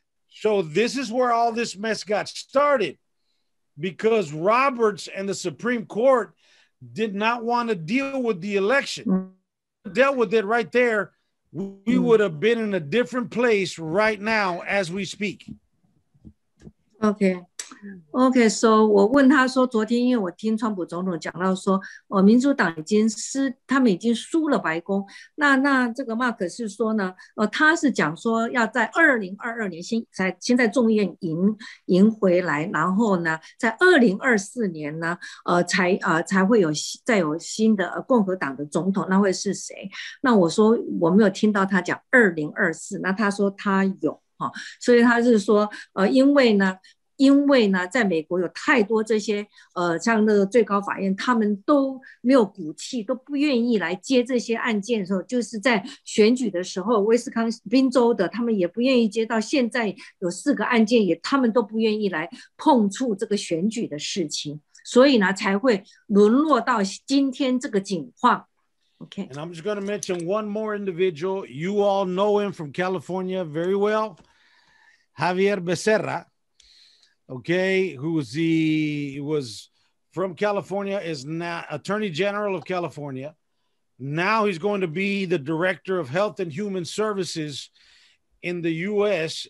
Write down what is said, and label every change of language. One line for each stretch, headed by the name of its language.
English: So this is where all this mess got started because Roberts and the Supreme Court did not want to deal with the election. Dealt with it right there. We would have been in a different place right now as we speak. Okay.
Chinese: So 我问他说，昨天因为我听川普总统讲到说，民主党已经输了白宫。那这个马克是说呢，他是讲说要在2022年先在众议院赢回来，然后呢，在2024年呢，才会有新的共和党的总统，那会是谁？那我说我没有听到他讲2024，那他说他有哈，所以他是说因为呢。因为呢，在美国有太多这些像那个最高法院，他们都没有骨气，都不愿意来接这些案件的时候，就是在选举的时候，威斯康宾州的他们也不愿意接，到现在有四个案件，也他们都不愿意来碰触这个选举的事情，所以呢，才会沦落到今天这个景况。
English: Okay. And I'm just going to mention one more individual. You all know him from California very well. Javier Becerra, okay, who was, the, was from California, is now Attorney General of California. Now he's going to be the Director of Health and Human Services in the U.S.